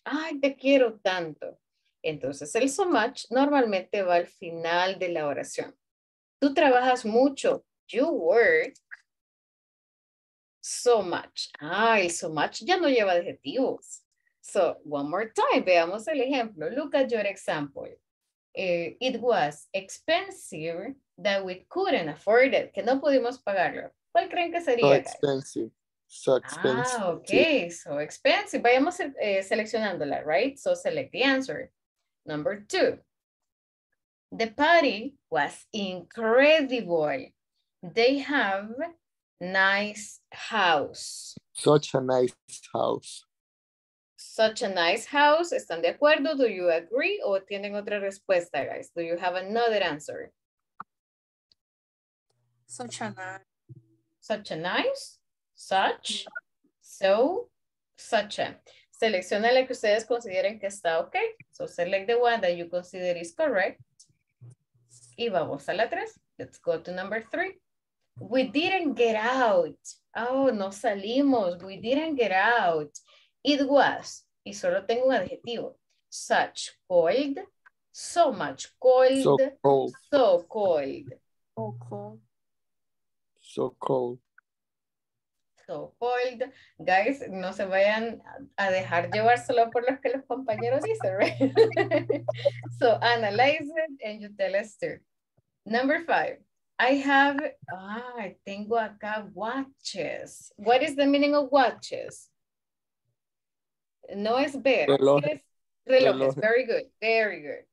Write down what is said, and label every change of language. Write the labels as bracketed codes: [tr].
[es] Ay, te quiero tanto. Entonces, el so much normalmente va al final de la oración. Tú trabajas mucho. [en] You work so much. [es] Ah, el so much ya no lleva adjetivos. [en] So, one more time. [es] Veamos el ejemplo. [en] Look at your example. It was expensive that we couldn't afford it. [es] Que no pudimos pagarlo. ¿Cuál creen que sería? [en] So expensive. So expensive. Ah, okay. So expensive. [es] Vayamos seleccionándola, [en] right? So select the answer. Number two, the party was incredible. They have nice house. Such a nice house. Such a nice house. [es] ¿Están de acuerdo? [en] Do you agree? [es] ¿O tienen otra respuesta, [en] guys? Do you have another answer? Such a nice. Such a nice. Such. So, such a. [es] Seleccione la que ustedes consideren que está ok. [en] So select the one that you consider is correct. [es] Y vamos a la tres. [en] Let's go to number three. We didn't get out. Oh, [es] no salimos. [en] We didn't get out. It was. [es] Y solo tengo un adjetivo. [en] Such cold. So much cold. So cold. So cold. So cold. So cold. So cold, guys, [es] no se vayan a dejar llevar solo por los que los compañeros dicen, [en] right? So analyze it and you tell us too. Number five, I have, [es] tengo acá [en] watches. What is the meaning of watches? [es] No es ver. Relojes. Relojes. Relojes, [en] very good, very good.